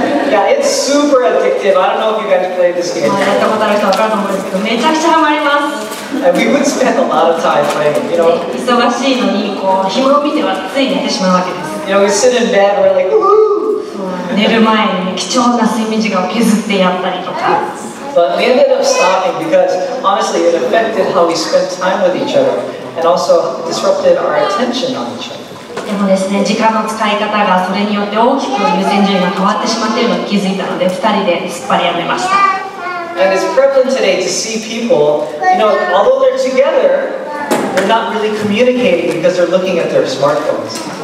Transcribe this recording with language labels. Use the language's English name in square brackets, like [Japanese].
[English] Yeah, it's super addictive. I don't know if you guys played this game. [Japanese] やったことある人は分かると思うんですけど、めちゃくちゃハマります。 [English] And we would spend a lot of time playing, you know. [Japanese] 忙しいのに、こう暇を見てはつい寝てしまうわけです。 [English] You know, we sit in bed, we're like, woo! [Japanese] 寝る前に貴重な睡眠時間を削ってやったりとか。 [English] But we ended up stopping because honestly it affected how we spent time with each other and also disrupted our attention on each other. [Japanese] でもですね、時間の使い方がそれによって大きく優先順位が変わってしまっているのを気づいたので、2人ですっぱりやめました。 [English] And it's prevalent today to see people, you know, although they're together, they're not really communicating because they're looking at their smartphones.